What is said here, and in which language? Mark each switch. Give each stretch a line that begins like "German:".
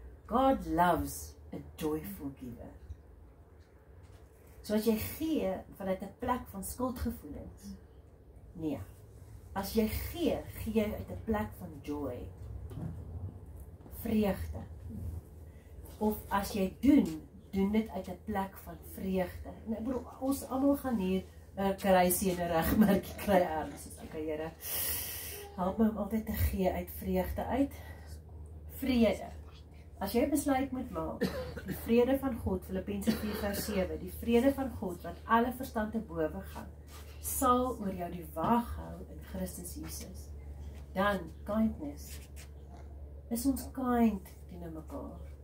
English: God loves a joyful giver.
Afrikaans: So as jy gee vanuit 'n plek van skuldgevoelens, nee. As jy gee, gee jy uit 'n plek van joy, vreugde. Of as jy doen, doen dit uit 'n plek van vreugde. En ek bedoel, ons almal gaan hier 'n crazy en 'n regmerkie kry erns. Okay, Here, help my om altyd te gee uit vreugde uit. Vrede. As jy besluit moet maak, die vrede van God, Filippense 4 vers 7, die vrede van God wat alle verstand te bowe gaan, sal oor jou die wag hou in Christus Jesus. Dan, kindness. Is ons kind teen mekaar?